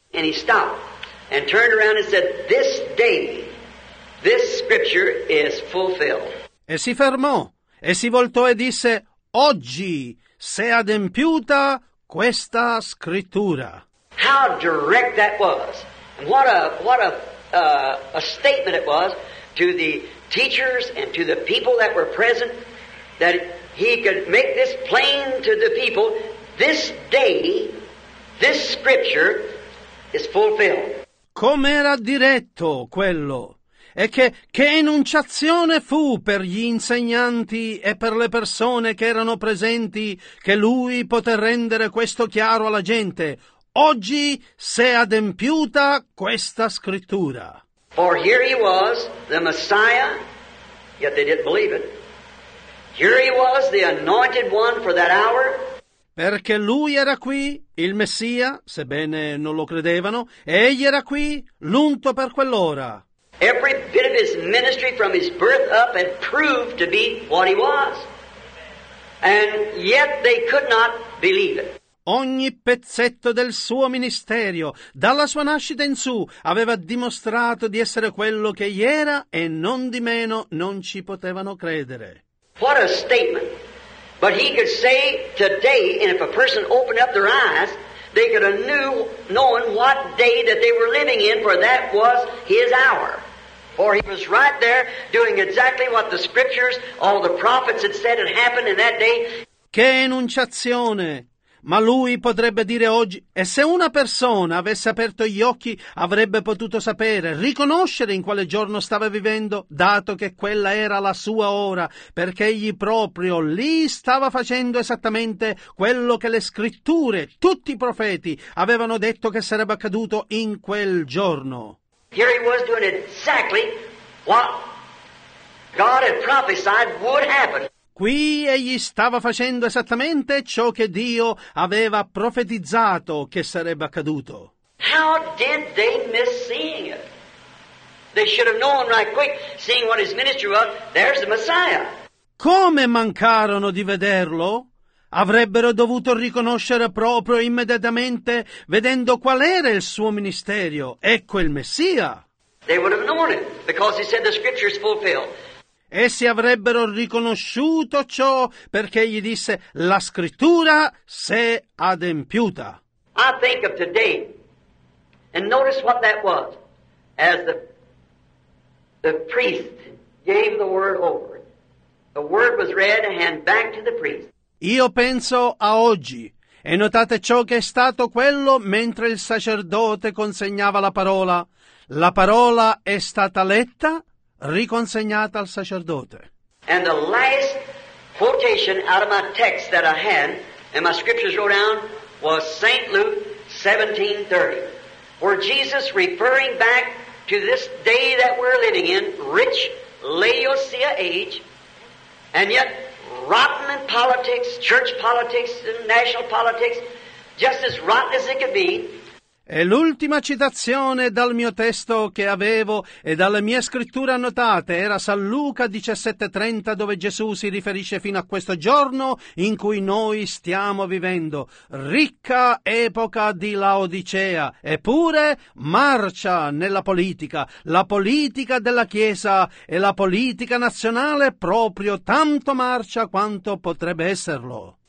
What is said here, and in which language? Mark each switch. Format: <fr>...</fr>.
<en>And he stopped and turned around and said, "This day, this scripture is fulfilled."</en> <it>E si fermò e si voltò e disse: "Oggi si è adempiuta questa scrittura."</it> <en>How direct that was, and what a statement it was to the teachers and to the people that were present, that he could make this plain to the people: this day, this scripture is fulfilled.</en> <it>Com'era diretto quello, e che enunciazione fu per gli insegnanti e per le persone che erano presenti, che lui poté rendere questo chiaro alla gente: oggi si è adempiuta questa scrittura.</it> <en>For here he was, the Messiah, yet they didn't believe it. Here he was, the anointed one for that hour.</en> <it>Perché lui era qui, il Messia, sebbene non lo credevano, egli era qui, l'unto per quell'ora.</it> <en>Every bit of his ministry from his birth up had proved to be what he was. And yet they could not believe it.</en> <it>Ogni pezzetto del suo ministero, dalla sua nascita in su, aveva dimostrato di essere quello che gli era e non di meno non ci potevano credere.</it> <en>What a statement! But he could say today, and if a person opened up their eyes, they could anew knowing what day that they were living in, for that was his hour. For he was right there doing exactly what the scriptures, all the prophets had said had happened in that day.</en> <it>Che enunciazione! Ma lui potrebbe dire oggi, e se una persona avesse aperto gli occhi, avrebbe potuto sapere, riconoscere in quale giorno stava vivendo, dato che quella era la sua ora, perché egli proprio lì stava facendo esattamente quello che le scritture, tutti i profeti, avevano detto che sarebbe accaduto in quel giorno.</it> <en>Here he was doing exactly what God had prophesied would happen.</en> <it>Qui egli stava facendo esattamente ciò che Dio aveva profetizzato che sarebbe accaduto.</it> <en>How did they miss seeing it? They should have known right quick, seeing what his ministry was, there's the Messiah.</en> <it>Come mancarono di vederlo? Avrebbero dovuto riconoscere proprio immediatamente, vedendo qual era il suo ministerio, ecco il Messia.</it> <en>They would have known it, because he said the scripture is fulfilled.</en> <it>Essi avrebbero riconosciuto ciò perché gli disse: la scrittura s'è adempiuta.</it> <en>I think of today, and notice what that was, as the priest gave the word over. The word was read and back to the priest.</en> <it>Io penso a oggi, e notate ciò che è stato quello mentre il sacerdote consegnava la parola. La parola è stata letta, riconsegnata al sacerdote.</it> <en>And the last quotation out of my text that I had and my scriptures wrote down was St. Luke 17:30, where Jesus, referring back to this day that we're living in, rich Laodicea age, and yet rotten in politics, church politics and national politics, just as rotten as it could be.</en> <it>E l'ultima citazione dal mio testo che avevo e dalle mie scritture annotate era San Luca 17:30, dove Gesù si riferisce fino a questo giorno in cui noi stiamo vivendo. Ricca epoca di Laodicea, eppure marcia nella politica, la politica della Chiesa e la politica nazionale proprio tanto marcia quanto potrebbe esserlo.</it>